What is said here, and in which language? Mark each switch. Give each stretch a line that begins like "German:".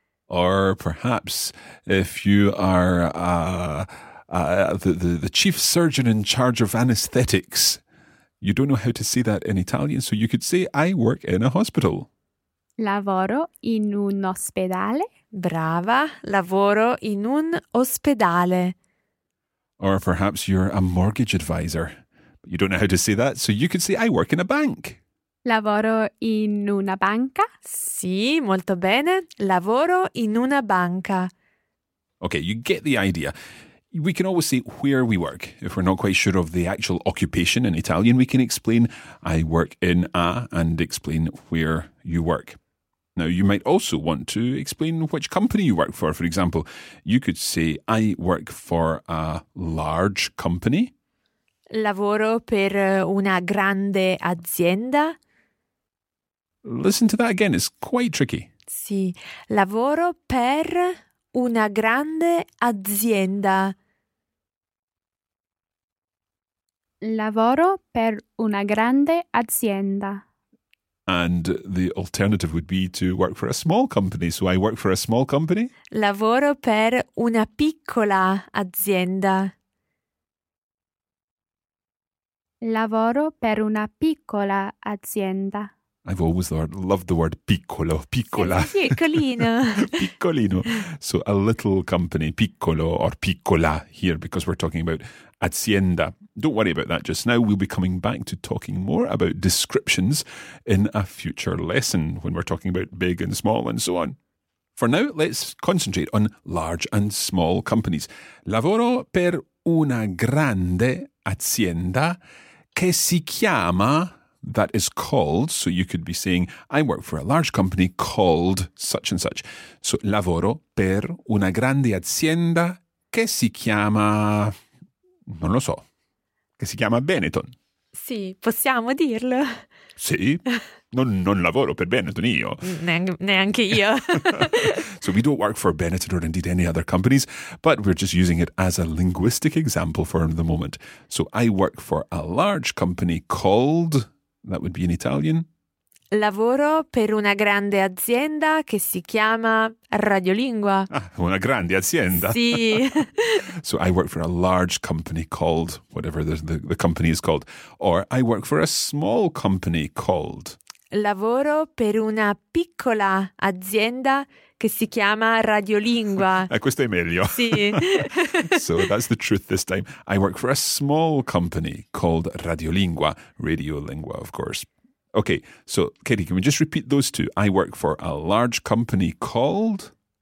English: Or perhaps if you are the chief surgeon in charge of anesthetics. You don't know how to say that in Italian, so you could say I work in a hospital.
Italian: Lavoro in un ospedale. Brava. Lavoro in un ospedale.
English: Or perhaps you're a mortgage advisor. You don't know how to say that, so you could say I work in a bank.
Italian: Lavoro in una banca. Sì, molto bene. Lavoro in una banca.
English: Okay, you get the idea. We can always say where we work. If we're not quite sure of the actual occupation in Italian, we can explain I work in a and explain where you work. Now, you might also want to explain which company you work for. For example, you could say I work for a large company.
Italian: Lavoro per una grande azienda.
English: Listen to that again, it's quite tricky.
Italian: Sì, lavoro per una grande azienda. Lavoro per una grande azienda.
English: And the alternative would be to work for a small company. So I work for a small company.
Italian: Lavoro per una piccola azienda. Lavoro per una piccola azienda.
English: I've always loved the word piccolo, piccola.
Italian: Sì, piccolino.
English: Piccolino. So a little company, piccolo or piccola here, because we're talking about azienda. Don't worry about that just now. We'll be coming back to talking more about descriptions in a future lesson when we're talking about big and small and so on. For now, let's concentrate on large and small companies.
Italian: Lavoro per una grande azienda che si chiama,
English: that is called, so you could be saying, I work for a large company called such and such.
Italian: So, lavoro per una grande azienda che si chiama, non lo so, che si chiama Benetton. Sì, possiamo dirlo. Sì, non lavoro per Benetton io. Neanche io.
English: So we don't work for Benetton or indeed any other companies, but we're just using it as a linguistic example for the moment. So I work for a large company called, that would be in Italian.
Italian: Lavoro per una grande azienda che si chiama Radiolingua. Ah, una grande azienda. Sì.
English: So I work for a large company called, whatever the company is called. Or I work for a small company called.
Italian: Lavoro per una piccola azienda che si chiama Radiolingua. Questo è meglio. Sì.
English: So that's the truth this time. I work for a small company called Radiolingua. Radiolingua, of course. Okay, so Katie, can we just repeat those two? I work for a large company called?